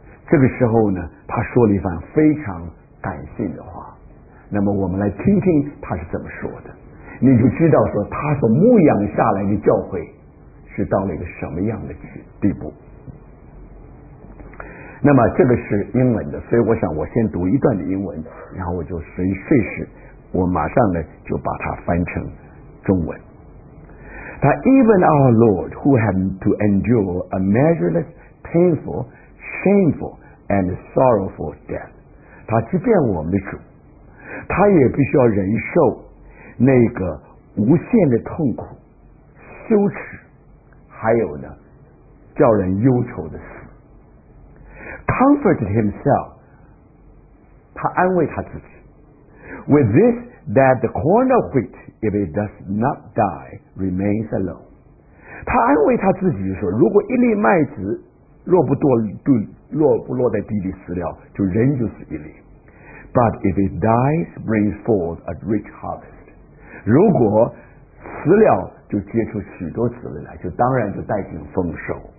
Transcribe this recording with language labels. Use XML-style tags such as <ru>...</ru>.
<zh>这个时候呢，他说了一番非常感性的话，那么我们来听听他是怎么说的，你就知道说他所牧养下来的教会是到了一个什么样的地步。那么这个是英文的，所以我想我先读一段的英文，然后我就随随时我马上呢就把它翻成中文。</zh> <en>他 Even our Lord who had to endure a measureless painful, shameful, and sorrowful death.</en> <zh>他即便我们的主，他也必须要忍受那个无限的痛苦、羞耻，还有呢，叫人忧愁的死。</zh> <en>Comforted himself,</en> <zh>他安慰他自己</zh> <en>with this that the corn of wheat, if it does not die, remains alone.</en> <zh>他安慰他自己说，如果一粒麦子若不落在地里死了，就仍旧是一粒。</zh> <en>But if it dies, brings forth a rich harvest.</en> <zh>如果死了，就结出许多子粒来，就当然就带进丰收。</zh>